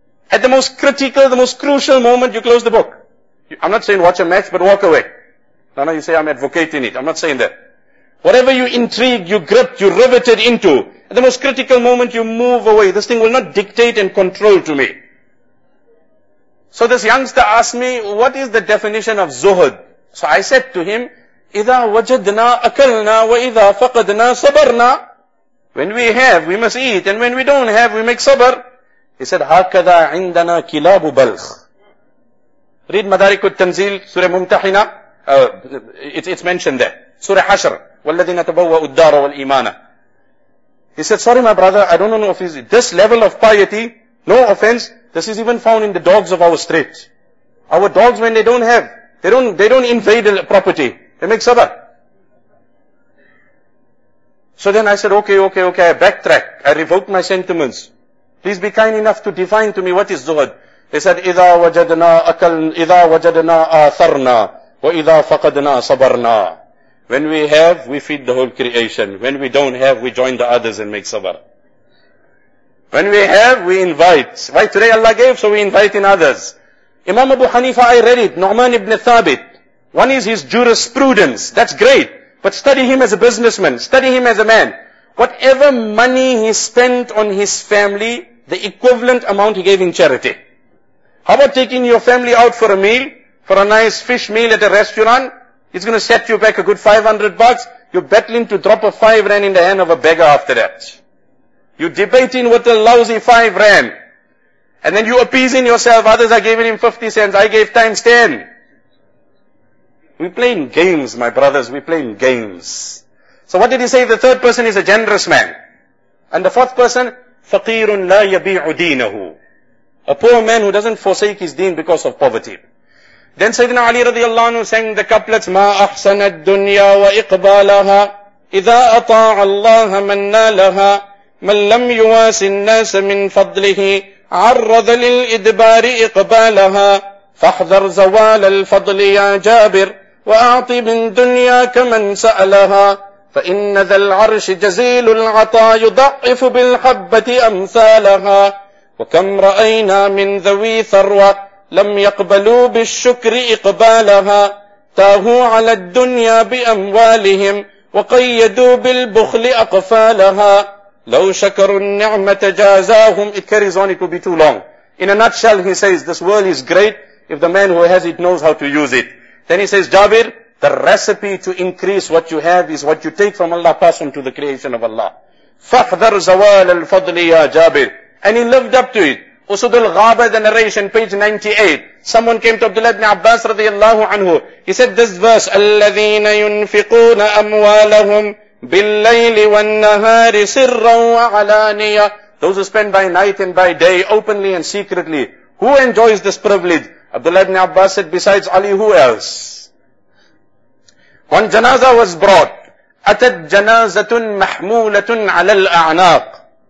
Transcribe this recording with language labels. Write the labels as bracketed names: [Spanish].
[English] At the most critical, the most crucial moment, you close the book. I'm not saying watch a match, but walk away. No, no, you say I'm advocating it. I'm not saying that. Whatever you intrigue, you gripped, you riveted into, at the most critical moment you move away. This thing will not dictate and control to me. So this youngster asked me, what is the definition of zuhud? So I said to him, [Arabic] إِذَا وَجَدْنَا أَكَلْنَا وَإِذَا فَقَدْنَا صَبَرْنَا. [English] When we have, we must eat, and when we don't have, we make sabr. He said, [Arabic] هَكَذَا عِنْدَنَا كِلَابُ بَلْخ. [English] Read Madarik al-Tanzil, Surah Mumtahina. It's mentioned there. Surah Hashr. [Arabic] وَالَّذِينَ تَبَوَّأُ الدَّارَ وَالْإِيمَانَ. [English] He said, sorry my brother, I don't know if it's this level of piety, no offense, this is even found in the dogs of our street. Our dogs, when they don't have, they don't invade a property. They make sabr. So then I said, okay, I backtrack. I revoke my sentiments. Please be kind enough to define to me what is zuhud. He said, [Arabic] إِذَا وَجَدْنَا أَكَلْنَا إِذَا وَجَدْنَا آثَرْنَا وَإِذَا فَقَدْنَا صَبَرْنَا. [English] When we have, we feed the whole creation. When we don't have, we join the others and make sabr. When we have, we invite. Why? Today Allah gave, so we invite in others. Imam Abu Hanifa, I read it. Nu'man ibn Thabit. One is his jurisprudence. That's great. But study him as a businessman. Study him as a man. Whatever money he spent on his family, the equivalent amount he gave in charity. How about taking your family out for a meal, for a nice fish meal at a restaurant? It's going to set you back a good 500 bucks. You're battling to drop a 5 rand in the hand of a beggar after that. You're debating with a lousy 5 rand. And then you're appeasing yourself. Others are giving him 50 cents. I gave times 10. We're playing games, my brothers. We're playing games. So what did he say? The third person is a generous man. And the fourth person, [Arabic] فَقِيرٌ لَا يَبِيعُ دِينَهُ. [English] A poor man who doesn't forsake his deen because of poverty. Then Sayyidina Ali radiallahu anhu sang the couplets, [Arabic] مَا أَحْسَنَ الدُّنْيَا وَإِقْبَالَهَا إِذَا أَطَاعَ اللَّهَ مَنَّا لَهَا مَنْ لَمْ يُوَاسِ النَّاسَ مِنْ فَضْلِهِ عَرَّضَ لِلْإِدْبَارِ إِقْبَالَهَا فَاحْذَرْ زَوَالَ الْفَضْلِ يَا جَابِرْ وَأَعْطِ مِنْ دُنْيَا كَمَنْ سَأَلَهَا فَإِنَّ ذَا الْعَرْشِ جَزِيلُ الْعَطَى يُضَعِّفُ بِالْحَبَّةِ أَمْثَالَهَا وَكَمْ رَأَيْنَا مِنْ ذَوِي ثَرْوَةَ لم يقبلوا بالشكر إقبالها تاهوا على الدنيا بأموالهم وقيدوا بالبخل أقفالها لو شكروا النعمة جازاهم. [English] It carries on, it will be too long. In a nutshell, he says, this world is great if the man who has it knows how to use it. Then he says, Jabir, the recipe to increase what you have is what you take from Allah, pass on to the creation of Allah. [Arabic] فَاحْذَرْ زَوَالَ الْفَضْلِ يَا جَابِرِ. [English] And he lived up to it. Usud al-Ghaba, the narration, page 98. Someone came to Abdullah ibn Abbas radiallahu anhu. He said this verse, [Arabic] أَلَّذِينَ يُنْفِقُونَ أَمْوَالَهُمْ بِاللَّيْلِ وَالنَّهَارِ سِرًّا وَعَلَانِيَةً. [English] Those who spend by night and by day, openly and secretly. Who enjoys this privilege? Abdullah ibn Abbas said, besides Ali, who else? One janazah was brought. [Arabic] أَتَتْ جَنَازَةٌ مَحْمُولَةٌ عَلَى الْأَعْنَاقِ.